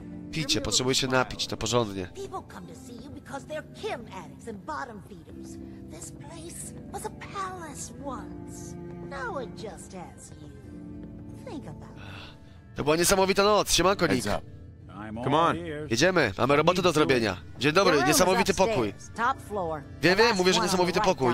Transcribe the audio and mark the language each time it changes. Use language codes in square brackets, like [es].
[pl] Picie, potrzebuje się napić, to porządnie. [en] Because they're chem addicts and bottom feeders. This place was a palace once. Now it just has you. Think about it. [pl] To była niesamowita noc. Siemanko, Nick. [en] Come on. [pl] Jedziemy. Mamy robotę do zrobienia. Dzień dobry. Niesamowity pokój. Wiem, mówię, że niesamowity pokój.